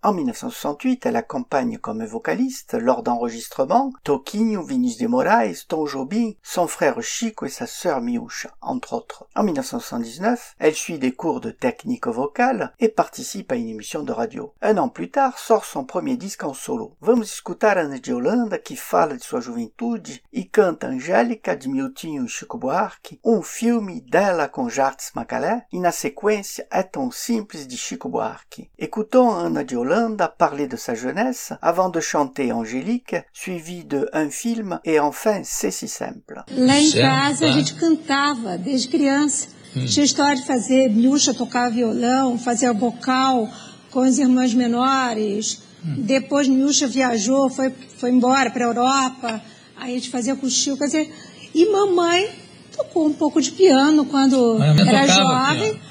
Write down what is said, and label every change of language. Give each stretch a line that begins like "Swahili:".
French: En 1968, elle accompagne comme vocaliste, lors d'enregistrements, Toquinho, Vinícius de Moraes, Tom Jobim, son frère Chico et sa sœur Miúcha, entre autres. En 1979, elle suit des cours de technique vocale et participe à une émission de radio. Un an plus tard, sort son premier disque en solo.
Portuguese: Vamos escutar Ana de Holanda, qui fala de sua juventude e canta Angélica de Miltinho e Chico Buarque, um filme dela com Jartes Macalé, e na sequência É Tão Simples de Chico Buarque.
French: Écoutons Ana de Holanda parler de sa jeunesse avant de chanter Angélique, suivie de Un film et enfin C'est si simple.
Portuguese: Là en casa, a gente cantava desde criança. Tinha história de fazer Miúcha tocar violão, fazer vocal com as irmãs menores. Depois Miúcha viajou, foi embora para a Europa. Aí a gente fazia com o Chico. Quer dizer, e mamãe tocou um pouco de piano quando era jovem.